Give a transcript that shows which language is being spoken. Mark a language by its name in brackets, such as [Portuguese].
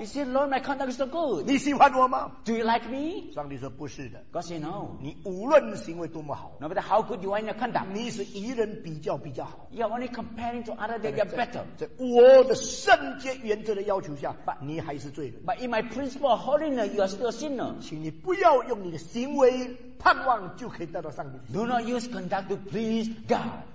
[English] you say, Lord, my conduct is so good. [Chinese] 你喜欢我吗? [English] Do you like me? [Chinese] 上帝说不是的, [English] God said no. [Chinese] 你无论行为多么好, [English] no matter how good you are in your conduct, [Chinese] 你是以人比较比较好, [English] you are only comparing to others that you are better. [Chinese] 在我的圣洁原则的要求下, [English] but, [Chinese] 你还是罪人, [English] but in my principle of holiness, you are still a sinner. [Chinese] 请你不要用你的行为盼望就可以得到上帝的心, [English] do not use conduct to please God.